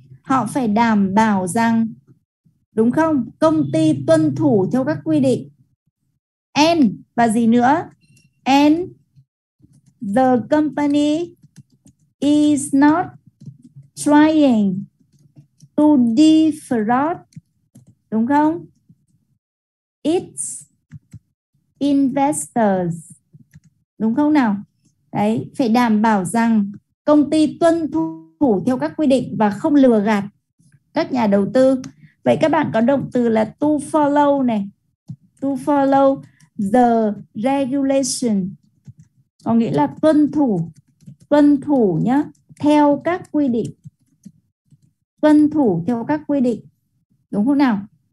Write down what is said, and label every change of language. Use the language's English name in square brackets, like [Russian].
[Vietnamese] Họ phải đảm bảo rằng, đúng không? Công ty tuân thủ theo các quy định. [English] And, [Vietnamese] và gì nữa? [English] And the company is not trying to defraud, [Vietnamese] đúng không? [English] It's investors, [Vietnamese] đúng không nào? Đấy, phải đảm bảo rằng công ty tuân thủ theo các quy định và không lừa gạt các nhà đầu tư. Vậy các bạn có động từ là [English] to follow [Vietnamese] này, [English] to follow the regulation, [Vietnamese] có nghĩa là tuân thủ nhá, theo các quy định, tuân thủ theo các quy định, đúng không nào?